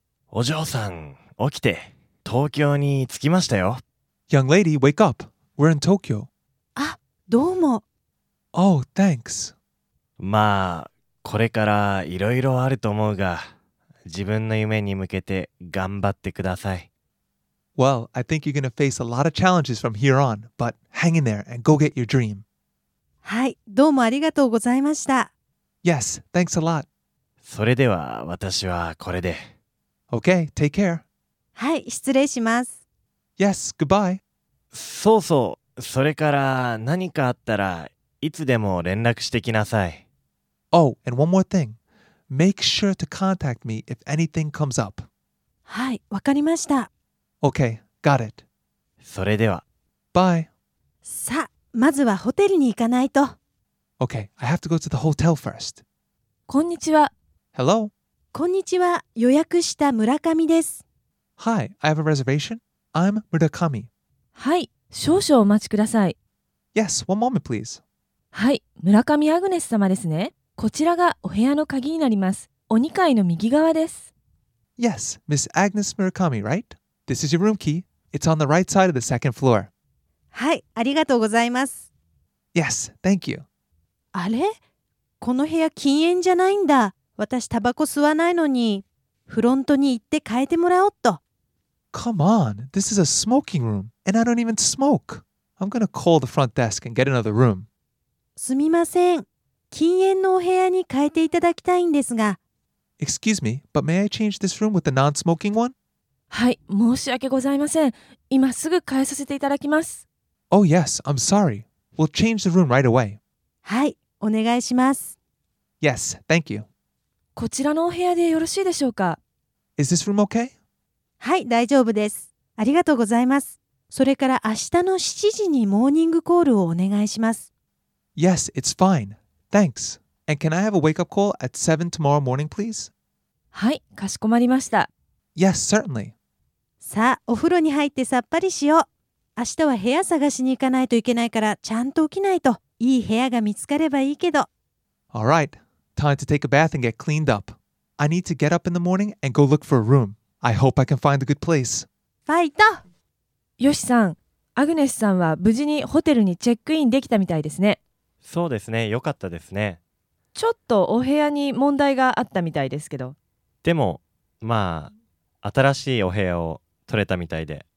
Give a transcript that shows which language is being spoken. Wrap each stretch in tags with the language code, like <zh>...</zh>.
<ja>お嬢さん、起きて、東京に着きましたよ。</ja> <en>Young lady, wake up. We're in Tokyo.</en> <ja>あ、どうも。</ja> <en>Oh, thanks.</en> <ja>まあ、これからいろいろあると思うが、自分の夢に向けて頑張ってください。</ja> <en>Well, I think you're gonna face a lot of challenges from here on, but hang in there and go get your dream.</en> <ja>はい、どうもありがとうございました。</ja> <en>Yes, thanks a lot.</en> <ja>それでは私はこれで。</ja> <en>Okay, take care.</en> <ja>はい、失礼します。</ja> <en>Yes, goodbye.</en> <ja>そうそう、それから何かあったらいつでも連絡してきなさい。</ja> <en>Oh, and one more thing. Make sure to contact me if anything comes up.</en> <ja>はい、わかりました。</ja> <en>Okay, got it.</en> <ja>それでは。</ja> <en>Bye.</en> <ja>さあ、まずはホテルに行かないと。</ja> <en>Okay, I have to go to the hotel first.</en> <ja>こんにちは。</ja> <en>Hello.</en> <ja>こんにちは、予約した村上です。</ja> <en>Hi, I have a reservation. I'm Murakami.</en> <ja>はい、少々お待ちください。</ja> <en>Yes, one moment, please.</en> <ja>はい、村上アグネス様ですね。こちらがお部屋の鍵になります。お2階の右側です。</ja> <en>Yes, Miss Agnes Murakami, right? This is your room key. It's on the right side of the second floor.</en> <ja>はい、ありがとうございます。</ja> <en>Yes, thank you.</en> <ja>あれ、この部屋禁煙じゃないんだ。私タバコ吸わないのに。フロントに行って変えてもらおっと。</ja> <en>Come on, this is a smoking room, and I don't even smoke. I'm gonna call the front desk and get another room.</en> <ja>すみません、禁煙のお部屋に変えていただきたいんですが。</ja> <en>Excuse me, but may I change this room with the non-smoking one?</en> <ja>はい、申し訳ございません。今すぐ変えさせていただきます。</ja> <en>Oh yes, I'm sorry. We'll change the room right away.</en> <ja>はい、お願いします。</ja> <en>Yes, thank you.</en> <ja>こちらのお部屋でよろしいでしょうか?</ja> <en>Is this room okay?</en> <ja>はい、大丈夫です。ありがとうございます。それから明日の7時にモーニングコールをお願いします。</ja> <en>Yes, it's fine. Thanks. And can I have a wake-up call at 7 tomorrow morning, please?</en> <ja>はい、かしこまりました。</ja> <en>Yes, certainly.</en> <ja>さあ、お風呂に入ってさっぱりしよう。明日は部屋探しに行かないといけないから、ちゃんと起きないと。いい部屋が見つかればいいけど。</ja> <en>All right. Time to take a bath and get cleaned up. I need to get up in the morning and go look for a room. I hope I can find a good place.</en> <ja>ファイト! ヨシさん、アグネスさんは無事にホテルにチェックインできたみたいですね。そうですね、よかったですね。ちょっとお部屋に問題があったみたいですけど。でも、まあ、新しいお部屋を取れたみたいで。</ja>